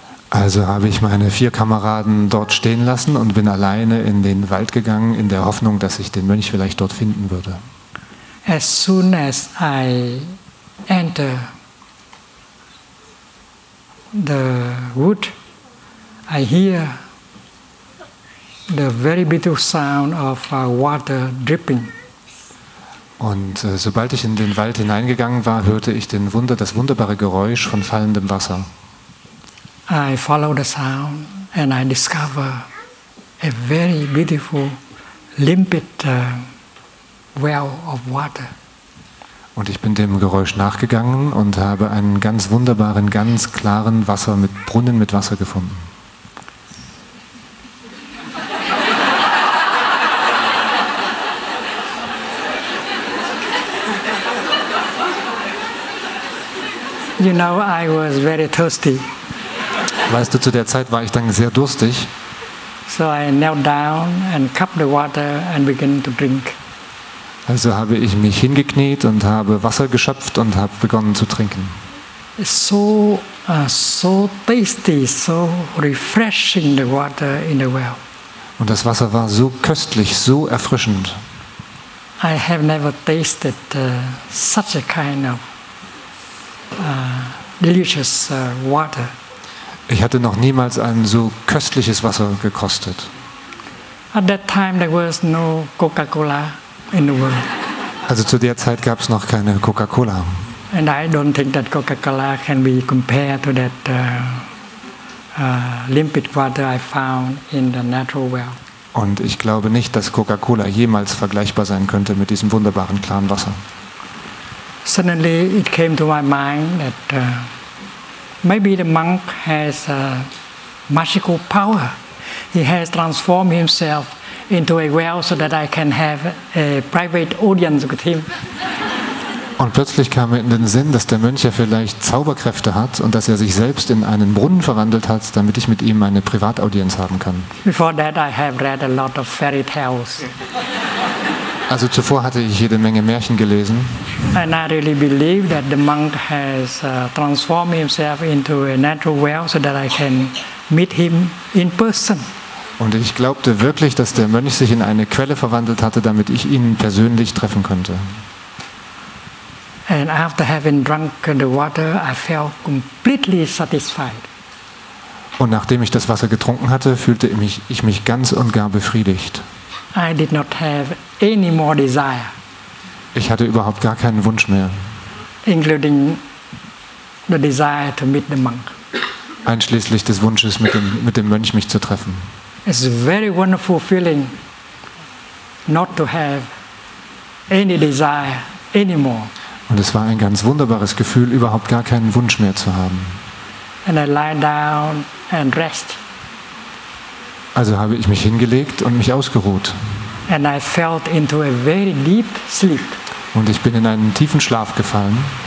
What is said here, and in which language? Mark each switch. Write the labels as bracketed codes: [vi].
[de] Also habe ich meine 4 Kameraden dort stehen lassen und bin alleine in den Wald gegangen, in der Hoffnung, dass ich den Mönch vielleicht dort finden würde. [en] As soon as I enter the wood, I hear the very bitter sound of water dripping. [de] Und sobald ich in den Wald hineingegangen war, hörte ich das wunderbare Geräusch von fallendem Wasser. [en] I follow the sound and I discover a very beautiful, limpid well of water. [de] Und ich bin dem Geräusch nachgegangen und habe einen ganz wunderbaren, ganz klaren Wasser mit Brunnen mit Wasser gefunden. [en] You know, I was very thirsty. [de] Weißt du, zu der Zeit war ich dann sehr durstig. [en] So I knelt down and cupped the water and began to drink. [de] Also habe ich mich hingekniet und habe Wasser geschöpft und habe begonnen zu trinken. [en] So tasty, so refreshing the water in the well. [de] Und das Wasser war so köstlich, so erfrischend. [en] I have never tasted such a kind of delicious water. [de] Ich hatte noch niemals ein so köstliches Wasser gekostet. [en] At that time there was no Coca-Cola in the world. [de] Also zu der Zeit gab es noch keine Coca-Cola. [en] And I don't think that Coca-Cola can be compared to that limpid water I found in the natural well. [de] Und ich glaube nicht, dass Coca-Cola jemals vergleichbar sein könnte mit diesem wunderbaren klaren Wasser. [en] Suddenly it came to my mind that maybe the monk has a magical power. He has transformed himself into a well so that I can have a private audience with him. [de] Und plötzlich kam mir in den Sinn, dass der Mönch ja vielleicht Zauberkräfte hat und dass er sich selbst in einen Brunnen verwandelt hat, damit ich mit ihm eine Privataudienz haben kann. [en] Before that I have read a lot of fairy tales. [de] Also zuvor hatte ich jede Menge Märchen gelesen. [en] And I really believe that the monk has transformed himself into a natural well so that I can meet him in person. [de] Und ich glaubte wirklich, dass der Mönch sich in eine Quelle verwandelt hatte, damit ich ihn persönlich treffen könnte. [en] And after having drunk the water, I felt completely satisfied. [de] Und nachdem ich das Wasser getrunken hatte, fühlte ich mich ganz und gar befriedigt. [en] I did not have any more desire. [de] Ich hatte überhaupt gar keinen Wunsch mehr. [en] Including the desire to meet the monk. [de] Einschließlich des Wunsches, mit dem Mönch mich zu treffen. [en] It's a very wonderful feeling not to have any desire anymore. [de] Und es war ein ganz wunderbares Gefühl, überhaupt gar keinen Wunsch mehr zu haben. [en] And I lie down and rest. [de] Also habe ich mich hingelegt und mich ausgeruht. [en] And I felt into a very deep sleep. [de] Und ich bin in einen tiefen Schlaf gefallen.